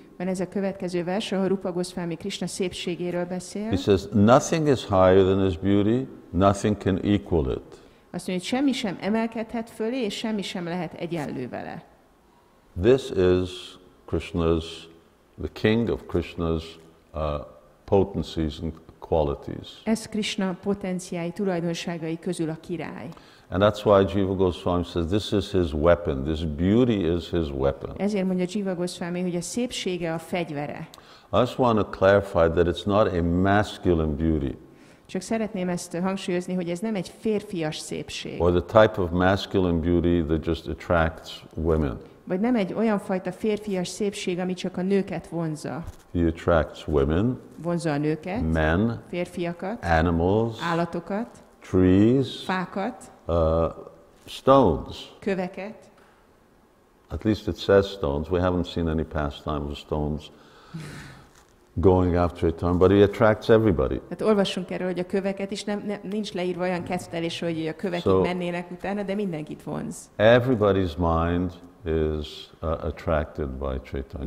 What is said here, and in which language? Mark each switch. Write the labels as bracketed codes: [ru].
[hu] Van ez a következő vers, ahol Rupa Goswami Krishna szépségéről beszél. [en] He says, nothing is higher than his beauty, nothing can equal it. [hu] Azt mondja, hogy semmi sem emelkedhet fölé, és semmi sem lehet egyenlő vele. [en] This is Krishna's, the king of Krishna's potencies and qualities. [hu] Ez Krishna potenciái, tulajdonságai közül a király. [en] And that's why Jiva Goswami says this is his weapon. This beauty is his weapon. [hu] Ezért mondja Jiva Goswami, hogy a szépsége a fegyvere. [en] I just want to clarify that it's not a masculine beauty. [hu] Csak szeretném ezt hangsúlyozni, hogy ez nem egy férfias szépség. [en] Or the type of masculine beauty that just attracts women. [hu] vagy nem egy olyan fajta férfias szépség, ami csak a nőket vonza. [en] He attracts women. [hu] Vonza a nőket. [en] Men. [hu] Férfiakat. [en] Animals. [hu] Állatokat. [en] Trees. [hu] Fákat. [en] Stones. [hu] Köveket. [en] At least it says stones. We haven't seen any pastime with stones going after a term, but he attracts everybody. [hu] Hát olvassunk erről, hogy a köveket is nem nincs leírva olyan kettelés, hogy a köveket mennének utána, de mindenkit vonz. [en] Everybody's mind is attracted by Chaitanya.